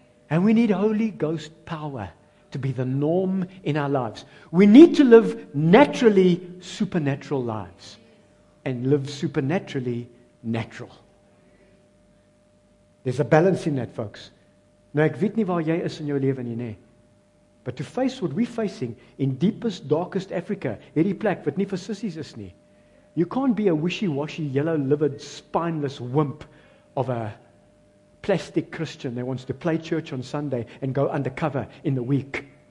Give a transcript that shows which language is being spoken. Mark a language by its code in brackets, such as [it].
[en] And we need Holy Ghost power to be the norm in our lives. We need to live naturally supernatural lives and live supernaturally natural. There's a balance in that, folks. [af] Nou, ek weet nie waar jy is in jou lewe nie, nê. [en] But to face what we're facing in deepest, darkest Africa, [af] hierdie plek wat nie vir sissies is nie, [en] you can't be a wishy-washy, yellow-livered, spineless wimp of a plastic Christian that wants to play church on Sunday and go undercover in the week.